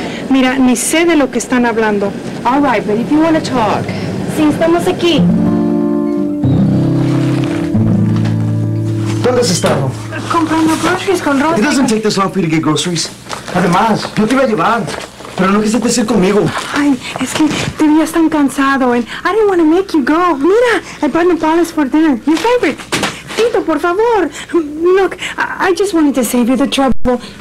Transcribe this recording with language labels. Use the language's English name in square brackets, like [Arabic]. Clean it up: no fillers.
[Spanish] Mira, ni sé de lo que están hablando. [English] All right, but if you want to talk. [Spanish] Sí, estamos aquí. ¿Dónde has estado? Comprando groceries con Rosa. [English] It doesn't take this long for you to get groceries. [Spanish] Además, yo te iba a llevar, pero no quisiste ir conmigo. [English] Ay, es que te veías tan cansado, and I didn't want to make you go. Mira, I brought Nopales for dinner, your favorite. Tito, por favor. Look, I just wanted to save you the trouble.